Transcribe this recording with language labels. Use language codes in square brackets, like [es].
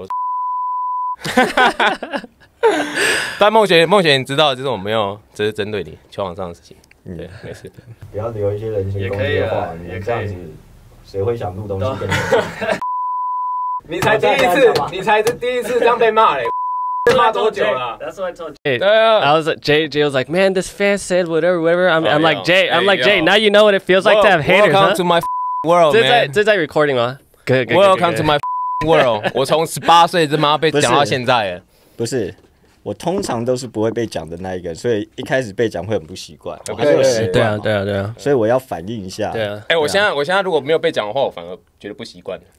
[zh] 我但孟学，你知道，就是我没有，只是针对你球场上的事情。对，没事。不要留一些人身攻击的话，你这样子，谁会想录东西给你？你才第一次，你才是第一次这样被骂嘞。 [en] That's what I told Jay. Jay was like, man, this fan said whatever. I'm like, Jay, I'm like, Jay, now you know what it feels like to have haters. Welcome to my world, man. This is recording, huh? Welcome to my world. [zh] 我从十八岁这妈被讲到现在耶。不是，我通常都是不会被讲的那一个，所以一开始被讲会很不习惯，还是有习惯。对啊。所以我要反应一下。对啊。哎，我现在如果没有被讲的话，我反而觉得不习惯。